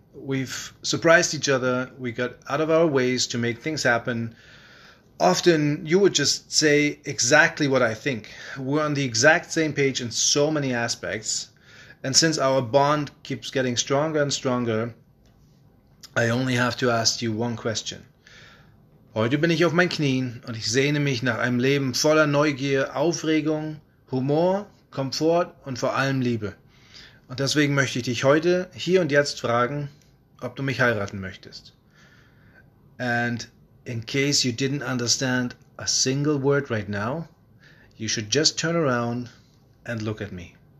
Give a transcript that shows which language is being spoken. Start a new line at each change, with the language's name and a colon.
English: We've surprised each other. We got out of our ways to make things happen. Often, you would just say exactly what I think. We're on the exact same page in so many aspects. And since our bond keeps getting stronger and stronger, I only have to ask you one question.
German: Heute bin ich auf meinen Knien und ich sehne mich nach einem Leben voller Neugier, Aufregung, Humor, Komfort und vor allem Liebe. Und deswegen möchte ich dich heute, hier und jetzt fragen, ob du mich heiraten möchtest.
English: And in case you didn't understand a single word right now, you should just turn around and look at me.